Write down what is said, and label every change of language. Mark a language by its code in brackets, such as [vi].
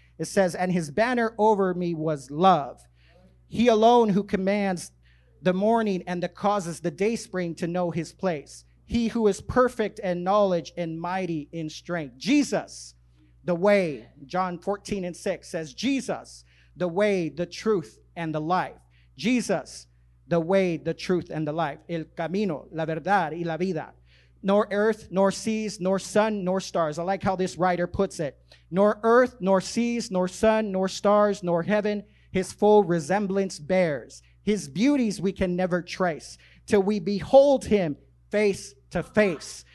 [en] It says, and his banner over me was love. He alone who commands the morning and that causes the day spring to know his place. He who is perfect in knowledge and mighty in strength. Jesus, the way, John 14 and 6 says, Jesus, the way, the truth, and the life. Jesus, the way, the truth, and the life. [es] El camino, la verdad y la vida. [en] Nor earth, nor seas, nor sun, nor stars. I like how this writer puts it. Nor earth, nor seas, nor sun, nor stars, nor heaven, his full resemblance bears. His beauties we can never trace till we behold him face to face.